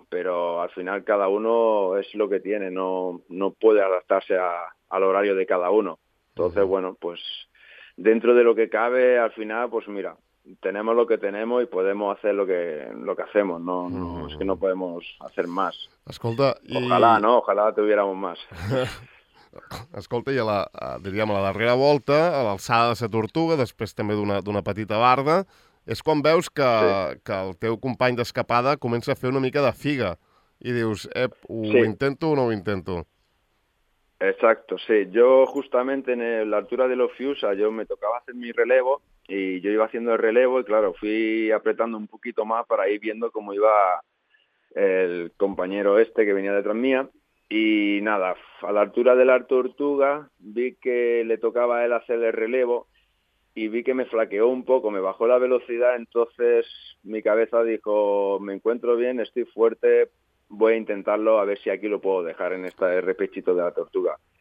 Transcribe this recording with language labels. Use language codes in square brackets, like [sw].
[es] Pero al final cada uno es lo que tiene, no puede adaptarse al horario de cada uno. Entonces, bueno, pues dentro de lo que cabe, al final, pues mira, tenemos lo que tenemos y podemos hacer lo que hacemos, ¿no? No, es que no podemos hacer más. [ca] Escolta, [es] ojalá, ¿no? Ojalá tuviéramos más. [ca] Escolta, i diríem, a la darrera volta, a l'alçada de la Tortuga, després també d'una petita barda, és quan veus que el teu company d'escapada comença a fer una mica de figa i dius, ep, ho intento o no ho intento? [es] Exacto, sí. Yo justamente en la altura de los Fiusa, yo me tocaba hacer mi relevo y yo iba haciendo el relevo y claro, fui apretando un poquito más para ir viendo cómo iba el compañero este que venía detrás mía y nada, a la altura de la Tortuga vi que le tocaba a él hacer el relevo y vi que me flaqueó un poco, me bajó la velocidad, entonces mi cabeza dijo, me encuentro bien, estoy fuerte, voy a intentarlo, a ver si aquí lo puedo dejar en este repechito de la Tortuga.